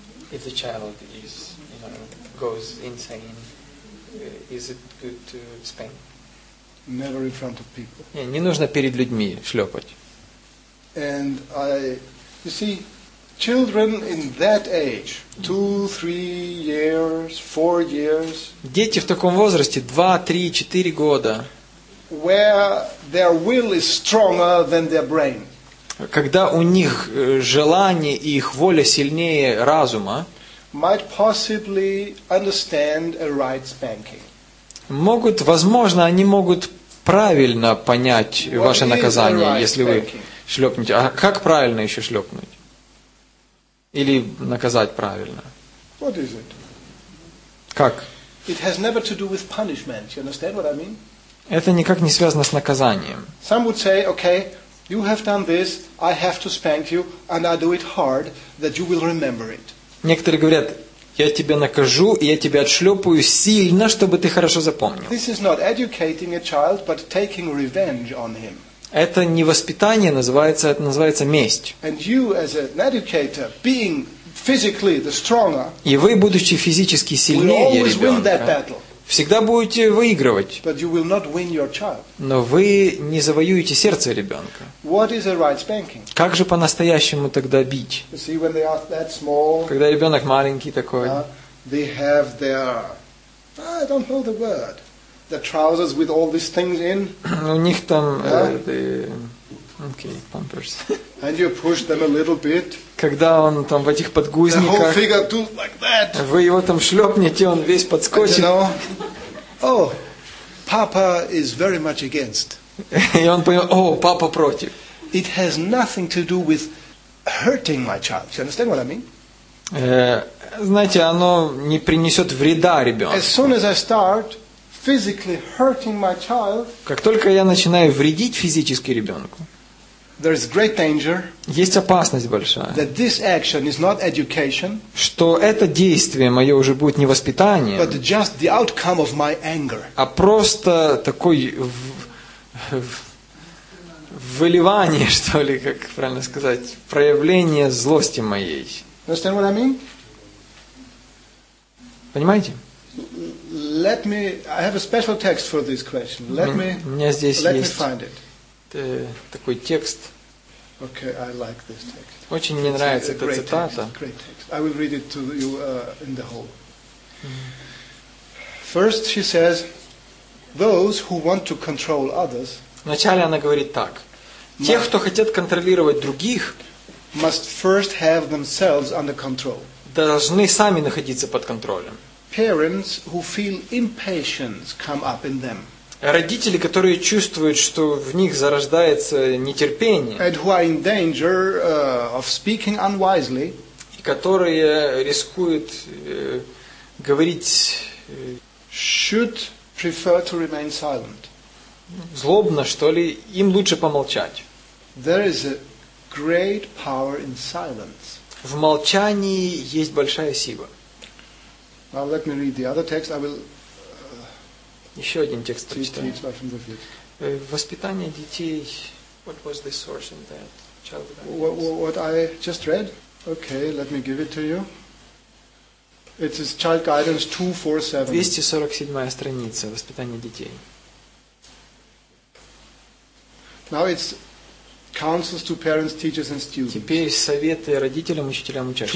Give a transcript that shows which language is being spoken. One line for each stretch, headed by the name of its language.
English: If the child is, goes insane, is it good to spank? Never in front of people.
Russian: Не нужно перед людьми шлепать.
English: And you see, children in that age, 2, 3 years, 4 years.
Russian: Дети в таком возрасте, 2, 3, 4 года.
English: Where their will is stronger than their brain.
Russian: Когда у них желание и их воля сильнее разума,
English: might possibly understand a right spanking.
Russian: Могут, возможно, они могут правильно понять
English: What
Russian: ваше наказание,
English: right
Russian: если вы
English: spanking?
Russian: Шлепнете. А как правильно еще шлепнуть? Или наказать правильно?
English: What is it?
Russian: Как?
English: It has never to do with punishment. You understand what I mean?
Russian: Это никак не связано с наказанием.
English: Some would say, okay, you have done this, I have to spank you, and I do it hard, that you will remember it.
Russian: Некоторые говорят, я тебя накажу, и я тебя отшлепаю сильно, чтобы ты хорошо запомнил.
English: This is not educating a child, but taking revenge on him.
Russian: Это не воспитание называется, это называется месть.
English: And you, as an educator, being physically the stronger,
Russian: и вы, будучи физически сильнее
English: will always
Russian: ребенка,
English: win that battle.
Russian: Всегда будете выигрывать.
English: But you will not win your child.
Russian: Но вы не завоюете сердце ребенка.
English: What is a right spanking?
Russian: Как же по-настоящему тогда бить?
English: You see, when they are that small,
Russian: когда ребенок маленький такой,
English: they have their, I don't know the word. The trousers with all these things in.
Russian: У них там
English: the pumpers. And you push them a little bit.
Russian: Когда он там в этих подгузниках.
English: The whole figure too, like that.
Russian: Вы его там шлепнете, он весь подскочит.
English: And, papa is very much against.
Russian: И он понял, папа против.
English: It has nothing to do with hurting my child. You understand what I mean?
Russian: Знаете, оно не принесет вреда ребенку.
English: As soon as I start physically hurting my child.
Russian: Как только я начинаю вредить физически ребенку,
English: there is great danger.
Russian: Есть опасность большая.
English: That this action is not education.
Russian: Что это действие мое уже будет не воспитанием,
English: but just the outcome of my anger.
Russian: А просто такой выливание, что ли, как правильно сказать, проявление злости моей.
English: Understand what I mean?
Russian: Понимаете?
English: Let me. I have a special text for this question. Let me.
Russian: У меня здесь
English: let
Russian: есть
English: me find it.
Russian: Такой текст.
English: Okay, I like this text.
Russian: Очень мне нравится эта цитата.
English: Great text. Great text. I will read it to you in the whole. First, she says, "Those who want to control others."
Russian: Вначале она говорит так: те, кто хотят контролировать других,
English: must first have themselves under control.
Russian: Должны сами находиться под контролем.
English: Parents who feel impatience come up in them.
Russian: Родители, которые чувствуют, что в них зарождается нетерпение,
English: and who are in danger, of speaking unwisely,
Russian: и которые рискуют говорить,
English: should prefer to remain silent.
Russian: Злобно, что ли, им лучше помолчать.
English: There is a great power in silence.
Russian: В молчании есть большая сила.
English: Now let me read the other text. I will...
Russian: Еще один текст прочитаем. Воспитание детей.
English: What was the source in that childhood? What I just read? Okay, let me give it to you. It is Child Guidance 247.
Russian: 247 страница. Воспитание детей.
English: Now it's counsels to parents, teachers and students.
Russian: Теперь советы родителям, учителям, учащимся.